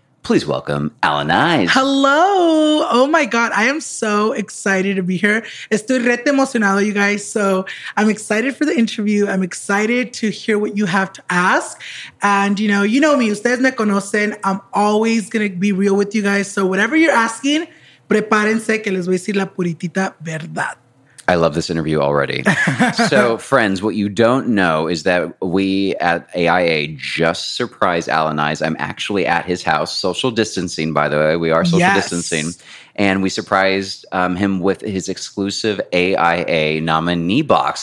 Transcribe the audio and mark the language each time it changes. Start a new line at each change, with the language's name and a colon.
English: Please welcome Alan Ize. Hello. Oh my God. I am so excited to be here.
Spanish: Estoy re emocionado,
English: you guys. So I'm excited for the interview. I'm excited to hear what you have to ask. And you know me,
Spanish: ustedes me conocen.
English: I'm always going to be real with you guys. So whatever you're asking,
Spanish: prepárense que les voy a decir la puritita verdad.
English: I love this interview already. So, friends, what you don't know is that we at AIA just surprised Alan Ize. I'm actually at his house, social distancing, by the way. We are social distancing. And we surprised him with his exclusive AIA nominee box.